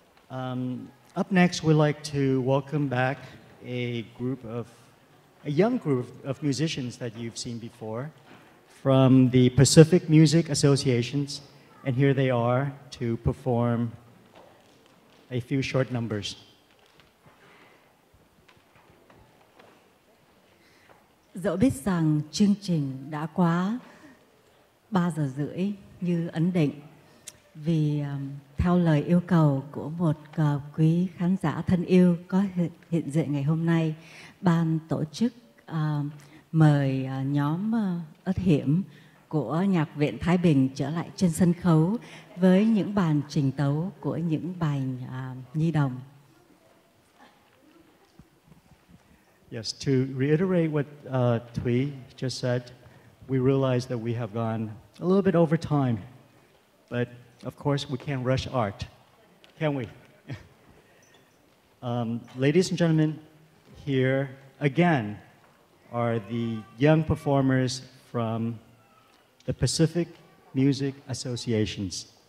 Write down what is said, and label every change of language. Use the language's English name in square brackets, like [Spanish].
[English] Up next, we'd like to welcome back a group of, a young group of musicians that you've seen before from the Pacific Music Associations, and here they are to perform a few short numbers. [Vietnamese] Dẫu biết rằng chương trình đã quá 3 giờ rưỡi như ấn định, vì theo lời yêu cầu của một quý khán giả thân yêu có hiện diện ngày hôm nay, ban tổ chức mời nhóm Ất Hiểm của Nhạc viện Thái Bình trở lại trên sân khấu với những bản trình tấu của những bài nhi đồng. [English] Yes, to reiterate what Thuy just said, we realize that we have gone a little bit over time, but of course we can't rush art, can we? Ladies and gentlemen, here again are the young performers from the Pacific Music Associations.